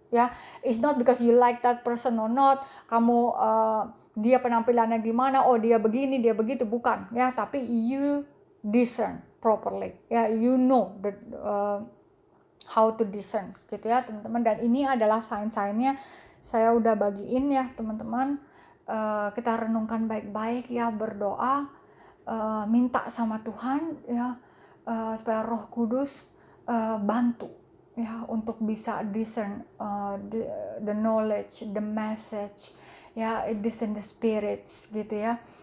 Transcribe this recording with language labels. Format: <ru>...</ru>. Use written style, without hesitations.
<en>Ya, it's not because you like that person or not.</en> <id>Kamu dia penampilannya gimana? Oh, dia begini, dia begitu, bukan. Ya, tapi</id> <en>you discern properly. Ya, you know the how to discern</en> <id>gitu ya, teman-teman. Dan ini adalah sign-signnya. Saya udah bagiin ya, teman-teman. Kita renungkan baik-baik ya, berdoa, minta sama Tuhan ya, supaya Roh Kudus bantu ya untuk bisa</id> <en>discern the knowledge, the message</en> <id>ya,</id> <en>discern the spirits</en> <id>gitu ya.</id>